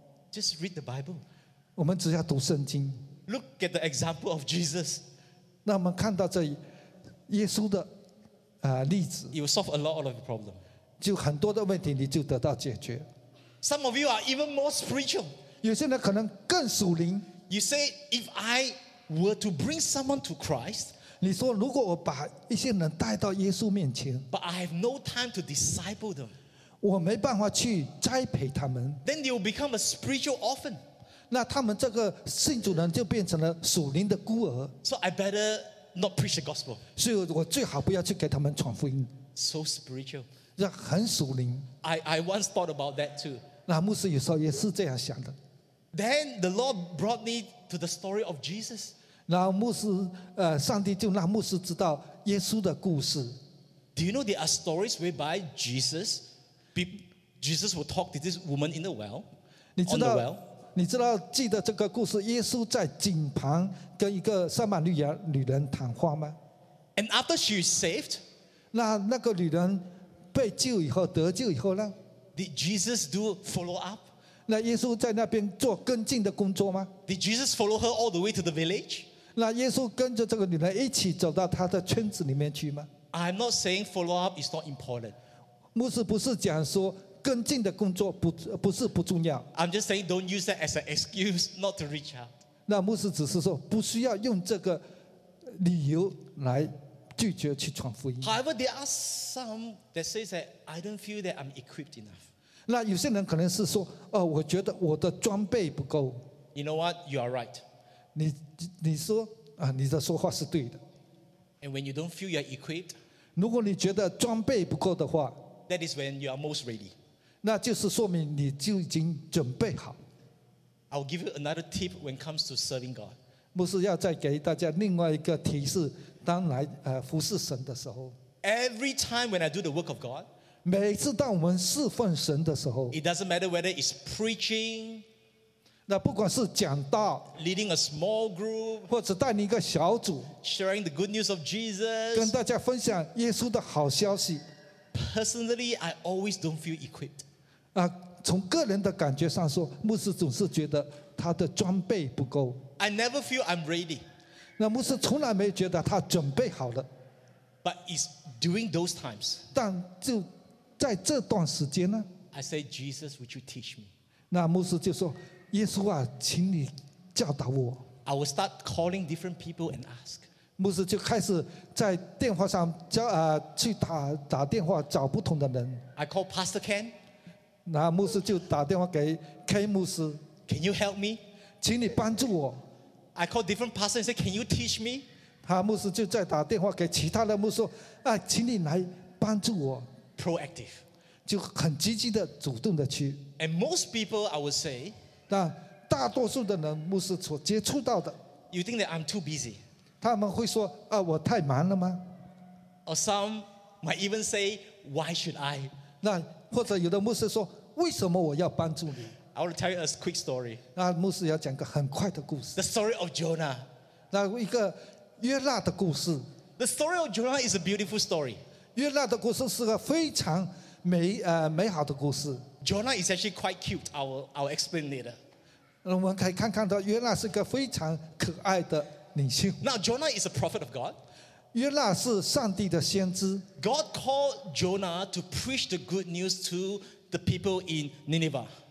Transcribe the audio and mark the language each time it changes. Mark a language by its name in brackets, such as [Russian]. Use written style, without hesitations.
[English] ，just read the Bible。 [Chinese] 我们只要读圣经。 [English] Look at the example of Jesus。 [Chinese] 那我们看到这耶稣的例子 [English] ，it will solve a lot of problem。 [Chinese] 就很多的问题，你就得到解决。 [English] Some of you are even more spiritual. [Chinese] 有些人可能更属灵。 [English] You say, if I were to bring someone to Christ, [Chinese] 你说如果我把一些人带到耶稣面前， [English] but I have no time to disciple them. [Chinese] 我没办法去栽培他们。 [English] Then they will become a spiritual orphan. [Chinese] 那他们这个信主人就变成了属灵的孤儿。 [English] So I better not preach the gospel. [Chinese] 所以我最好不要去给他们传福音。 [English] So spiritual. [Chinese] 很属灵。 [English] I once thought about that too. [Chinese] 那牧师有时候也是这样想的。 [English] Then the Lord brought me to the story of Jesus. [Chinese] 那牧师，上帝就让牧师知道耶稣的故事。 [English] Do you know there are stories whereby Jesus will talk to this woman in the well? [Chinese] 你知道？ [English] On the well? [Chinese] 你知道记得这个故事，耶稣在井旁跟一个撒玛利亚女人谈话吗 [English] ？And after she is saved, [Chinese] 那个女人。被救以后，得救以后呢 [English] ？Did Jesus do follow up？ [Chinese] 那耶稣在那边做跟进的工作吗 [English] ？Did Jesus follow her all the way to the village？ [Chinese] 那耶稣跟着这个女人一起走到她的圈子里面去吗 [English] ？I'm not saying follow up is not important。 [Chinese] 牧师不是讲说跟进的工作不是不重要。 [English] I'm just saying don't use that as an excuse not to reach out。 [Chinese] 那牧师只是说不需要用这个理由来。拒绝去传福音。 [English] However, there are some that say that I don't feel that I'm equipped enough. [Chinese] 那有些人可能是说，哦，我觉得我的装备不够。 [English] You know what? You are right. [Chinese] 你说啊，你的说话是对的。 [English] And when you don't feel you're equipped, [Chinese] 如果你觉得装备不够的话， [English] that is when you are most ready. [Chinese] 那就是说明你就已经准备好。 [English] I'll give you another tip when it comes to serving God. [Chinese] 牧师要再给大家另外一个提示，当来服侍神的时候。 [English] Every time when I do the work of God, [Chinese] 每次当我们侍奉神的时候， [English] it doesn't matter whether it's preaching. [Chinese] 那不管是讲道 [English] ，leading a small group， [Chinese] 或者带领一个小组 [English] ，sharing the good news of Jesus， [Chinese] 跟大家分享耶稣的好消息。 [English] Personally, I always don't feel equipped. [Chinese] 啊，从个人的感觉上说，牧师总是觉得他的装备不够。 [English] I never feel I'm ready. [Chinese] 那牧师从来没觉得他准备好了。 [English] But it's during those times. [Chinese] 但就在这段时间呢 [English] ？I say, Jesus, would you teach me? [Chinese] 那牧师就说。耶稣啊，请你教导我。 [English] I will start calling different people and ask. [Chinese] 牧师就开始在电话上去打电话找不同的人。 [English] I call Pastor Ken. [Chinese] 那牧师就打电话给 Ken 牧师。 [English] Can you help me? [Chinese] 请你帮助我。 [English] I call different pastors and say, Can you teach me? [Chinese] 他牧师就再打电话给其他的牧师啊，请你来帮助我。 [English] Proactive. [Chinese] 就很积极的、主动的去。 [English] And most people, I would say. [Chinese] 但大多数的人牧师所接触到的 [English] You think that I'm too busy [Chinese] 他们会说、啊、我太忙了吗 [English] Or some might even say Why should I [Chinese] 那或者有的牧师说为什么我要帮助你 [English] I want to tell you a quick story [Chinese] 那牧师要讲个很快的故事 [English] The story of Jonah [Chinese] 那一个约拿的故事 [English] The story of Jonah is a beautiful story [Chinese] 约拿的故事是个非常美好的故事 [English] Jonah is actually quite cute. I'll explain later. [Chinese] 我们可以看看到，约拿是个非常可爱的领袖。 [English] Now Jonah is a prophet of God. [Chinese] 约拿是上帝的先知。 [English] God called Jonah to preach the good news to the people in Nineveh.